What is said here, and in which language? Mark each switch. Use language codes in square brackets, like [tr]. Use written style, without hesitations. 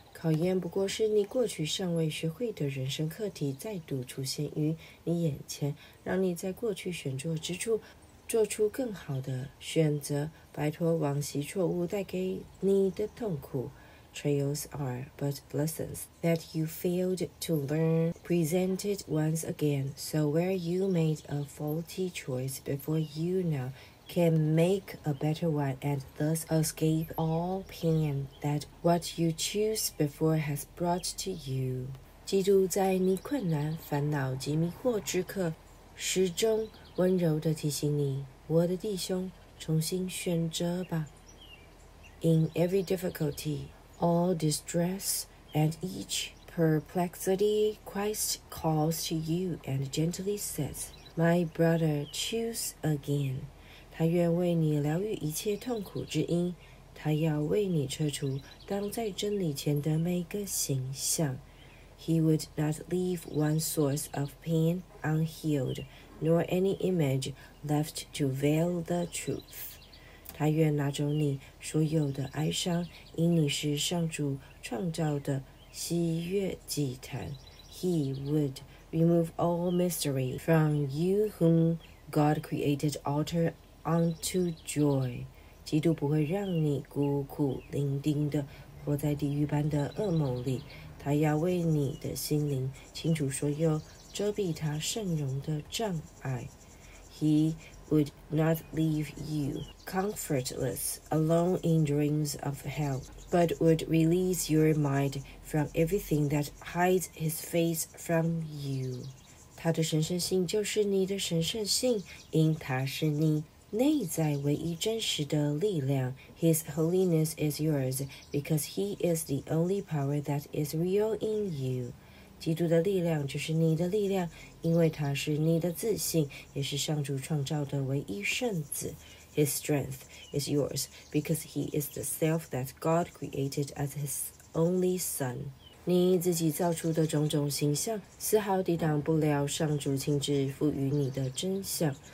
[zh] 考验不过是你过去尚未学会的人生课题再度出现于你眼前，让你在过去选择之处做出更好的选择，摆脱往昔错误带给你的痛苦。 [en] Trials are but lessons that you failed to learn, presented once again. So where you made a faulty choice before, you now can make a better one and thus escape all pain that what you choose before has brought to you. [zh] 基督在你困难、烦恼及迷惑之刻，始终温柔地提醒你，我的弟兄，重新选择吧。 [en] In every difficulty,All distress and each perplexity Christ calls to you and gently says, My brother, choose again. [zh] 他愿为你疗愈一切痛苦之因，他要为你撤除当在真理前的每个形象。 [en] He would not leave one source of pain unhealed, nor any image left to veil the truth. [zh] 他愿拿走你所有的哀伤，因你是上主创造的喜悦祭坛。 [en] He would remove all mystery from you whom God created alter unto joy. [zh] 基督不会让你孤苦伶仃地活在地狱般的噩梦里，他要为你的心灵清除所有遮蔽他圣容的障碍。 [en] He would not leave you comfortless alone in dreams of hell, but would release your mind from everything that hides his face from you. [zh] 他的神圣性就是你的神圣性，因他是你内在唯一真实的力量。 [en] His holiness is yours because he is the only power that is real in you. [zh] 基督的力量就是你的力量，因为他是你的自信，也是上主创造的唯一圣子。 [en] His strength is yours because he is the self that God created as his only son. [zh] 你自己造出的种种形象，丝毫抵挡不了上主亲自赋予你的真相。